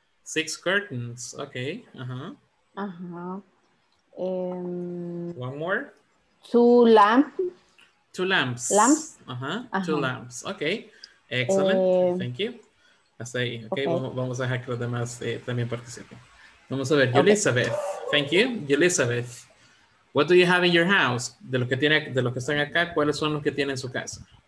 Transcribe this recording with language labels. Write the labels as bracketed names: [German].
[English] Six curtains. Okay. One more. Two lamps. Two lamps. Okay. Excellent. Thank you. [Spanish] Hasta ahí, [English] okay. [Spanish] Vamos a dejar que los demás también participen. Vamos a ver, okay. Elizabeth, [English] thank you. Elizabeth, what do you have in your house? [Spanish] De los que tiene, de los que están acá, ¿cuáles son los que tiene en su casa?